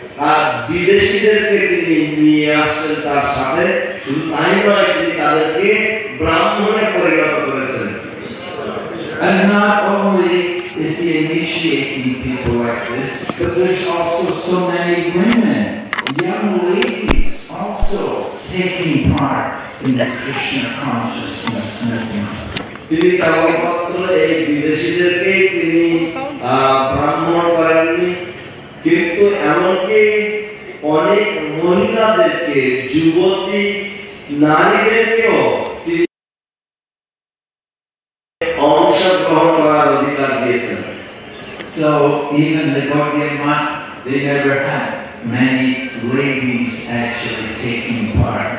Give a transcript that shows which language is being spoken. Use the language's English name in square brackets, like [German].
[Bangla] আর বিদেশিদেরকে তিনি নিয়ে আসছেন তার সাথে শুধু তাই নয় তিনি তাদেরকে ব্রাহ্মণে পরিণত করেছেন [English] And not only is he initiating people like this, but there's also so many women, young ladies, also taking part in the Krishna consciousness movement. [Bangla] তিনি তাবৎপত্র এই বিদেশিদেরকে তিনি ব্রাহ্মণ করেননি কিন্তু এমনকি অনেক মহিলাদেরকে যুবতী নারীদেরকেও তিনি অংশগ্রহণ করার অধিকার দিয়েছেন [English] So even the Gaudiya Math, they never had many ladies actually taking part.